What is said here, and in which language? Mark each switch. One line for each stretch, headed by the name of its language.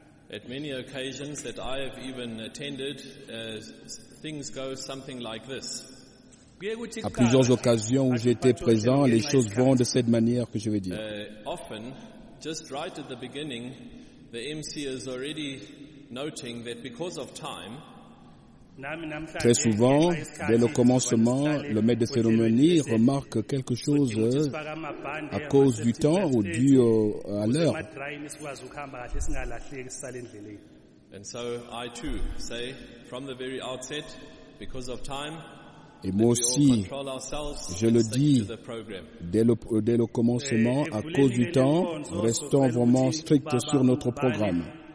English: At many occasions that I have even attended, things go something like this.
French: À plusieurs occasions où j'étais présent, les choses vont de cette manière que je vais dire.
English: Often, just right at the beginning, the MC is already noting that because of time.
French: Très souvent, dès le commencement, le maître de cérémonie remarque quelque chose à cause du temps ou dû à l'heure.
English: And so I too say from the very outset, because of time.
French: Et moi aussi, je le dis, dès le commencement, à cause du temps, restons vraiment stricts sur notre programme.